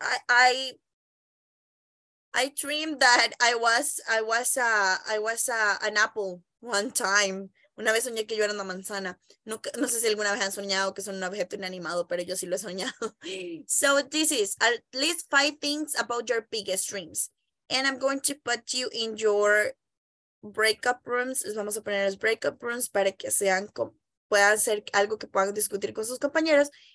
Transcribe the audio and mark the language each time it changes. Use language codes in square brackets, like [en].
[en] I dreamed that I was an apple one time. [es] Una vez soñé que yo era una manzana. No sé si alguna vez han soñado que son un objeto inanimado, pero yo sí lo he soñado. [en] So this is at least 5 things about your biggest dreams. And I'm going to put you in your breakup rooms. [es] Les vamos a poner los breakup rooms para que sean puedan ser algo que puedan discutir con sus compañeros.